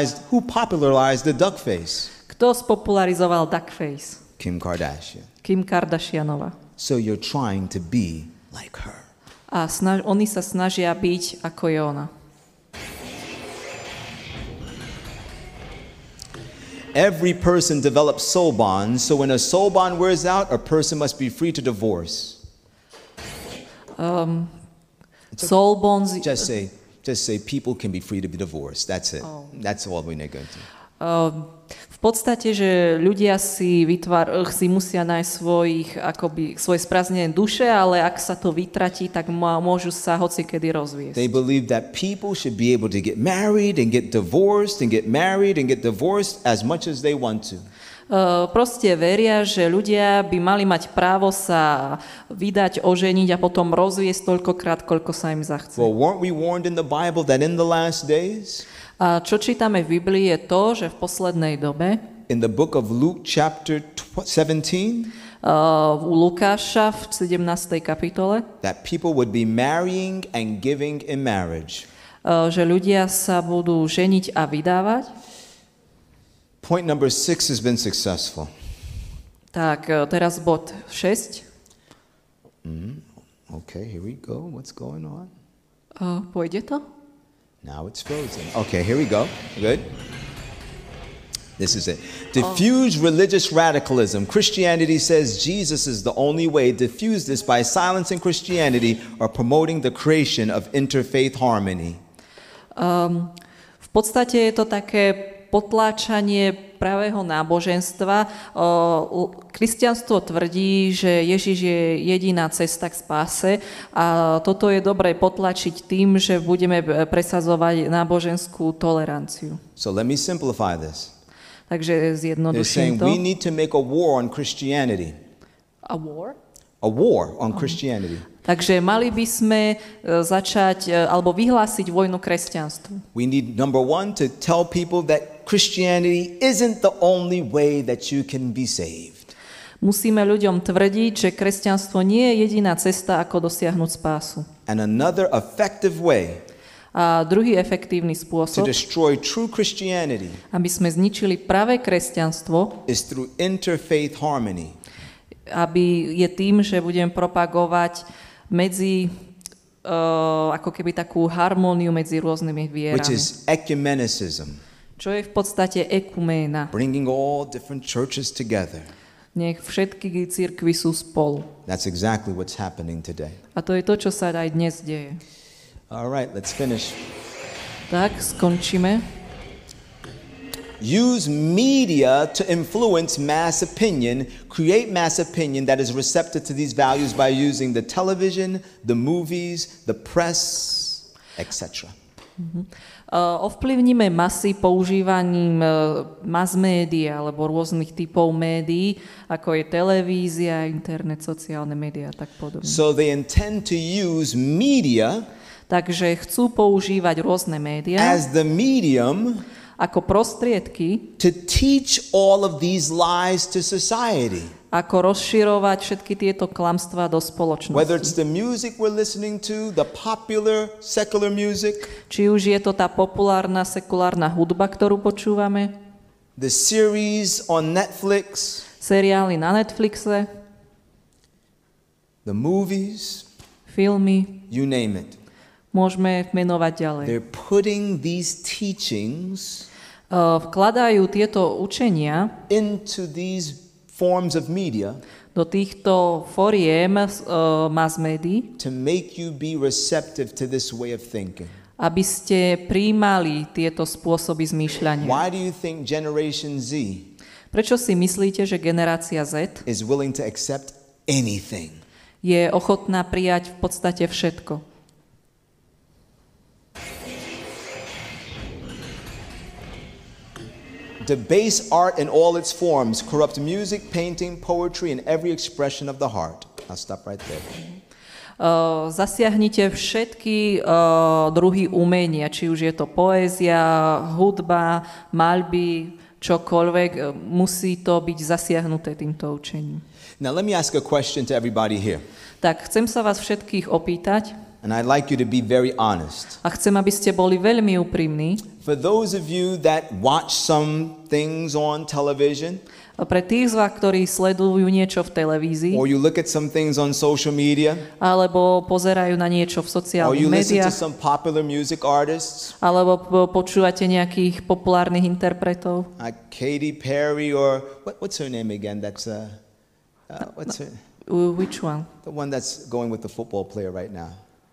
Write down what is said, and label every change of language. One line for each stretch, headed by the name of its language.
English: who popularized the duck face?
Slovak: Kto spopularizoval duck face?
English: Kim Kardashian.
Slovak: Kim Kardashianova.
English: So you're trying to be like her.
Slovak: A oni sa snažia byť ako je ona.
English: Every person develops soul bonds, so when a soul bond wears out, a person must be free to divorce. Soul bonds, just say people can be free to be divorced. That's it. Oh. That's all we're going to.
Slovak: V podstate, že ľudia si musia nájsť svoje sprázdnené duše, ale ak sa to vytratí, tak môžu sa hocikedy rozviesť.
English: They believe that people should be able to get married and get divorced and get married and get divorced as much as they want to.
Slovak: Proste veria, že ľudia by mali mať právo sa vydať, oženiť a potom rozviesť toľkokrát, koľko sa im zachce.
English: Well, weren't we warned in the Bible that in the last days?
Slovak: A čo čítame v Biblii je to, že v poslednej dobe
English: in the book of Luke chapter 17
Slovak: u Lukáša v 17. kapitole
English: that people would be marrying and giving in marriage.
Slovak: Že ľudia sa budú ženiť a vydávať.
English: Point number 6 has been successful.
Slovak: Tak, teraz bod 6.
English: Okay, here we go. What's going on?
Slovak: Pôjde to?
English: Now it's frozen. Okay, here we go. Good. This is it. Diffuse religious radicalism. Christianity says Jesus is the only way. Diffuse this by silencing Christianity or promoting the creation of interfaith harmony.
Slovak: V podstate je to také potláčanie pravého náboženstva. Kresťanstvo tvrdí, že Ježiš je jediná cesta k spáse a toto je dobre potlačiť tým, že budeme presadzovať náboženskú toleranciu.
English: So let me simplify this.
Slovak: Takže zjednoduším to.
English: They're saying we need to make a war on Christianity. A war? A war on Christianity.
Slovak: Takže mali by sme začať alebo vyhlásiť vojnu kresťanstvu.
English: We need number one to tell people that Christianity isn't the only way that you can be saved.
Slovak: Musíme ľuďom tvrdiť, že kresťanstvo nie je jediná cesta, ako dosiahnuť spásu.
English: And another effective way.
Slovak: A druhý efektívny spôsob.
English: To destroy true Christianity.
Slovak: Aby sme zničili pravé kresťanstvo.
English: Is through interfaith harmony.
Slovak: Aby je tým, že budem propagovať medzi ako keby takú harmóniu medzi rôznymi vierami.
English: Which is ecumenism.
Slovak: Čo je v podstate ekuména.
English: Bringing all different churches together.
Slovak: Nech všetky cirkvi sú spolu.
English: That's exactly what's happening today.
Slovak: A to je to, čo sa aj dnes deje.
English: All right, let's finish.
Slovak: Tak, skončíme.
English: Use media to influence mass opinion. Create mass opinion that is receptive to these values by using the television, the movies, the press, etc.
Slovak: Ovplyvníme masy používaním mass media alebo rôznych typov médií, ako je televízia, internet, sociálne médiá a tak podobne.
English: So they intend to use media.
Slovak: Takže chcú používať rôzne médiá.
English: As the medium.
Slovak: Ako prostriedky.
English: To teach all of these lies to society.
Slovak: Ako rozširovať všetky tieto klamstvá do spoločnosti.
English: Whether it's the music we're listening to, the popular secular music.
Slovak: Či už je to tá populárna sekulárna hudba, ktorú počúvame.
English: The series on Netflix.
Slovak: Seriály na Netflixe.
English: The movies.
Slovak: Filmy.
English: You name it.
Slovak: Môžeme menovať ďalej.
English: They're putting these teachings.
Slovak: Vkladajú tieto učenia
English: into these forms of media.
Slovak: Do týchto foriem mass médií.
English: To make you be receptive to this way of thinking.
Slovak: Aby ste prijímali tieto spôsoby zmýšľania.
English: Why do you think generation Z?
Slovak: Prečo si myslíte, že generácia Z
English: is willing to accept anything?
Slovak: Je ochotná prijať v podstate všetko.
English: Debase art in all its forms, corrupt music, painting, poetry and every expression of the heart. I'll stop right there.
Slovak: Zasiahnite všetky druhy umenia, či už je to poézia, hudba, maľby, čokoľvek, musí to byť zasiahnuté týmto učením.
English: Now let me ask a question to everybody here.
Slovak: Tak chcem sa vás všetkých opýtať.
English: And I'd like you to be very honest.
Slovak: A chcem, aby ste boli veľmi úprimní.
English: For those of you that watch some things on television.
Slovak: A pre tých z vás, ktorí sledujú niečo v televízii.
English: Or you look at some things on social media.
Slovak: Alebo pozerajú na niečo v sociálnych médiách.
English: Or you listen to some popular music artists.
Slovak: Alebo počúvate nejakých populárnych interpretov.
English: Like Katy Perry or what's her name again? That's what's her? Which one? The one that's going with the football player right now.